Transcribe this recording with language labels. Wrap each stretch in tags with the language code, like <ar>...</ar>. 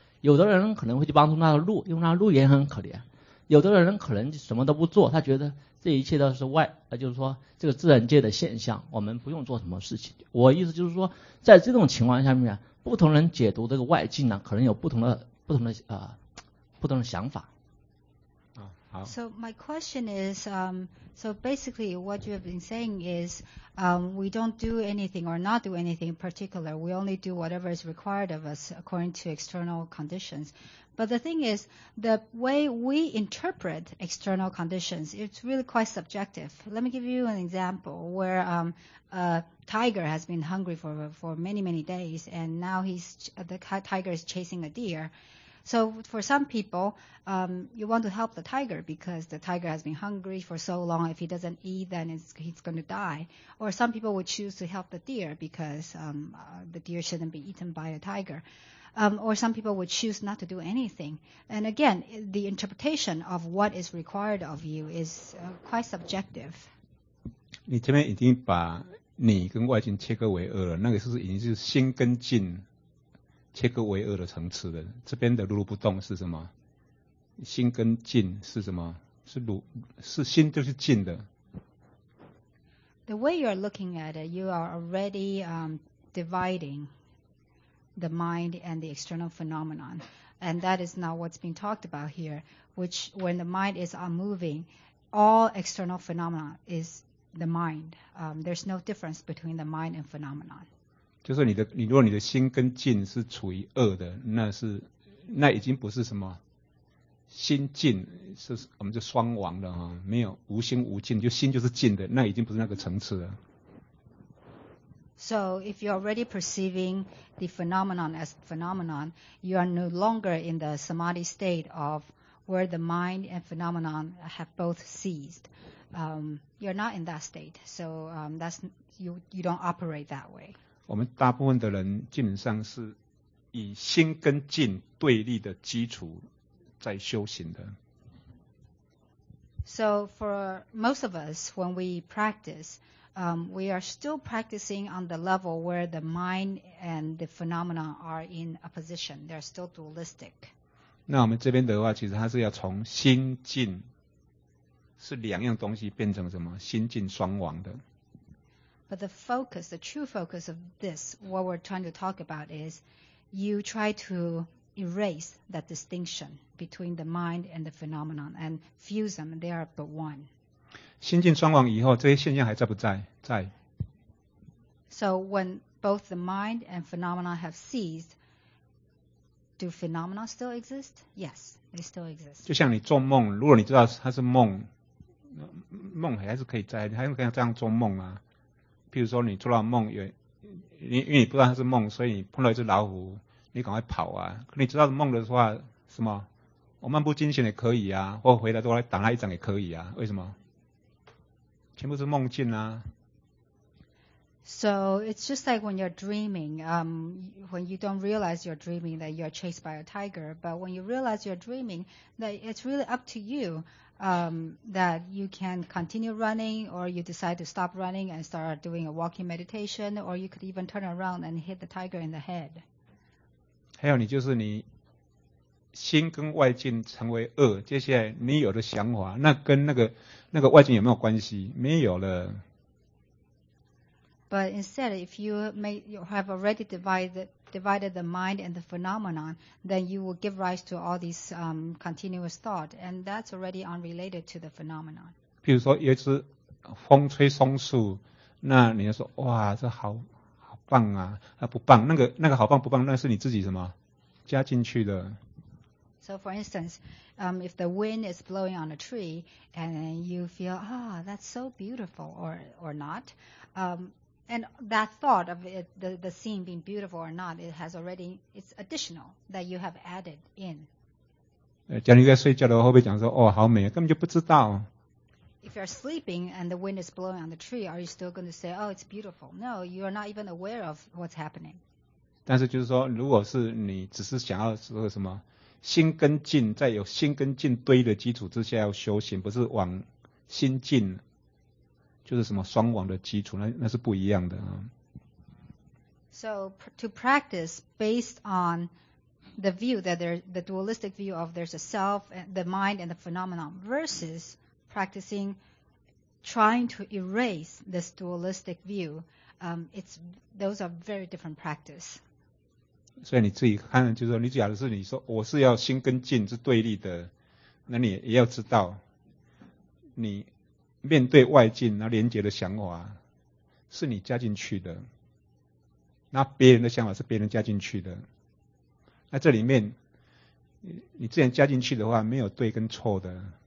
<zh>有的人可能会去帮助那只鹿，因为那鹿也很可怜。有的人可能什么都不做，他觉得这一切都是外，就是说这个自然界的现象，我们不用做什么事情。我意思就是说，在这种情况下面，不同人解读这个外境呢，可能有不同的想法。</zh> <en>So my question is, so basically what you have been saying is, we don't do anything or not do anything in particular. We only do whatever is required of us according to external conditions. But the thing is, the way we interpret external conditions, it's really quite subjective. Let me give you an example where a tiger has been hungry for many, many days, and now the tiger is chasing a deer. So for some people, you want to help the tiger because the tiger has been hungry for so long. If he doesn't eat, then he's going to die. Or some people would choose to help the deer because the deer shouldn't be eaten by a tiger. Or some people would choose not to do anything. And again, the interpretation of what is required of you is quite subjective.</en> <zh>你这边已经把你跟外境切割为二了，那个是已经是心跟境切割为二的层次的，这边的如如不动是什么？心跟境是什么？是心就是境的。</zh> <en>The way you are looking at it, you are already dividing the mind and the external phenomenon, and that is not what's being talked about here. Which when the mind is unmoving, all external phenomena is the mind. There's no difference between the mind and phenomenon.</en> <zh>就是你如果你的心跟境是处于恶的，那已经不是什么心境，是我们就双亡了哈，没有无心无境，就心就是境的，那已经不是那个层次了。</zh> <en>So if you're already perceiving the phenomenon as phenomenon, you are no longer in the samadhi state of where the mind and phenomenon have both ceased. You're not in that state, so that's you don't operate that way.</en> <zh>我们大部分的人基本上是以心跟境对立的基础在修行的。</zh> <en>So for most of us, when we practice, we are still practicing on the level where the mind and the phenomena are in opposition. They are still dualistic.</en> <zh>那我们这边的话，其实它是要从心境是两样东西变成什么？心境双亡的。</zh> <en>But the focus, the true focus of this, what we're trying to talk about is you try to erase that distinction between the mind and the phenomenon and fuse them, they are but one.</en> <zh>心境双亡以后，这些现象还在不在？在。</zh> <en>So when both the mind and phenomenon have ceased, do phenomena still exist? Yes, they still exist.</en> <zh>就像你做梦，如果你知道它是梦，梦还是可以在，你还是可以这样做梦啊。譬如说你做了梦，因为你不知道它是梦，所以你碰到一只老虎，你赶快跑啊。可你知道梦的话，什么？我漫不经心也可以啊，或回来都来打他一掌也可以啊。为什么？全部是梦境啊。</zh> <en>So it's just like when you're dreaming, when you don't realize you're dreaming that you're chased by a tiger, but when you realize you're dreaming, that it's really up to you. That you can continue running or you decide to stop running and start doing a walking meditation or you could even turn around and hit the tiger in the head.</en> <zh>还有你就是你心跟外境成为恶，接下来你有的想法，那跟那个外境有没有关系？没有了。</zh> <en>But instead, if you have already divided the mind and the phenomenon, then you will give rise to all these continuous thought, and that's already unrelated to the phenomenon.</en> <zh>比如说有一只风吹松树，那你就说哇，这好棒啊，它不棒，那个好棒不棒，那是你自己什么加进去的。</zh> <en>So for instance, if the wind is blowing on a tree, and you feel that's so beautiful, or not. And that thought of it, the scene being beautiful or not, it has already, it's additional that you have added in.</en> <zh>假如你在睡觉的话，会不会讲说，哦，好美，根本就不知道。</zh> <en>If you're sleeping and the wind is blowing on the tree, are you still going to say, oh, it's beautiful? No, you are not even aware of what's happening.</en> <zh>但是就是说，如果是你只是想要说什么，心跟境，在有心跟境堆的基础之下要修行，不是往心境。就是什么双亡的基础，那是不一样的啊。</zh> <en>So to practice based on the view that there's the dualistic view of there's a self, the mind, and the phenomenon versus practicing trying to erase this dualistic view, it's those are very different practice.</en> <zh>所以你自己看，就是说你假如是你说我是要心跟境是对立的，那你也要知道你面对外境那连结的想法是你加进去的，那别人的想法是别人加进去的，那这里面你之前加进去的话没有对跟错的。</zh>